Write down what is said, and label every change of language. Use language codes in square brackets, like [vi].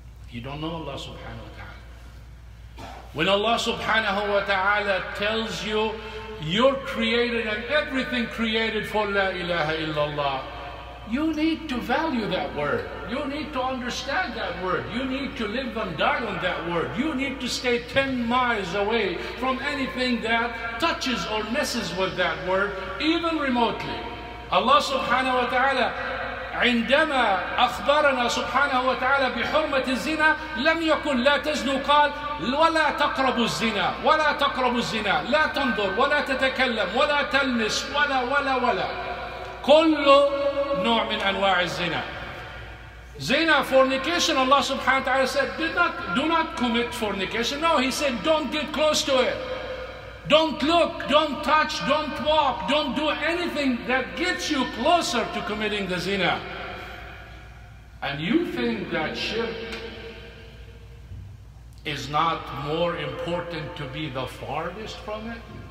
[en] You don't know Allah subhanahu wa ta'ala. When Allah subhanahu wa ta'ala tells you, you're created and everything created for La ilaha illallah, you need to value that word. You need to understand that word. You need to live and die on that word. You need to stay 10 miles away from anything that touches or messes with that word, even remotely. [ar] Allah subhanahu wa ta'ala, عندما أخبرنا سبحانه وتعالى بحرمة الزنا لم يكن لا تزنوا قال ولا تقربوا الزنا ولا تقربوا الزنا لا تنظر ولا تتكلم ولا تلمس ولا ولا ولا كل نوع من أنواع الزنا زنا fornication. [en] Allah subhanahu wa ta'ala said do not commit fornication. No, He said don't get close to it. Don't look, don't touch, don't walk, don't do anything that gets you closer to committing the zina. And you think that shirk is not more important to be the farthest from it?